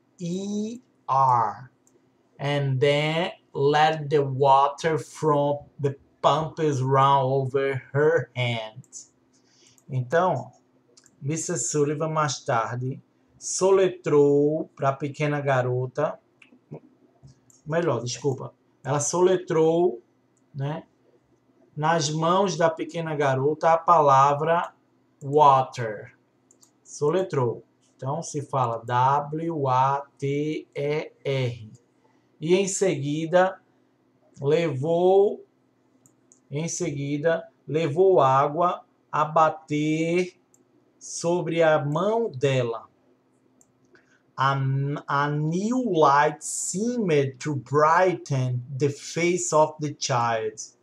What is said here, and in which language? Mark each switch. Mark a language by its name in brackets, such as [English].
[English] W-H-E-R. And then let the water from the pumps run over her hand. [Portuguese] Então, Mrs. Sullivan mais tarde soletrou para a pequena garota. Melhor, desculpa. Ela soletrou, né, nas mãos da pequena garota a palavra water. Soletrou. Então se fala W-A-T-E-R. E em seguida levou água a bater sobre a mão dela. [English] A new light seemed to brighten the face of the child.